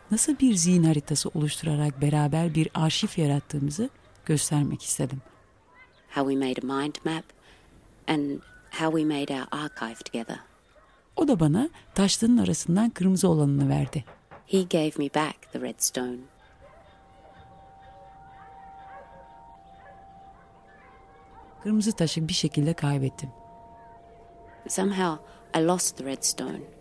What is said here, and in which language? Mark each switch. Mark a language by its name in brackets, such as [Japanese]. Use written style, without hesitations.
[Turkish] Nasıl bir zihin haritası oluşturarak beraber bir arşiv yarattığımızı göstermek istedim. [English] How we made a mind map and how we made our archive together. [Turkish] O da bana taşların arasından kırmızı olanını verdi. [English] He gave me back the red stone. [Turkish] Kırmızı taşı bir şekilde kaybettim. [English] Somehow I lost the red stone.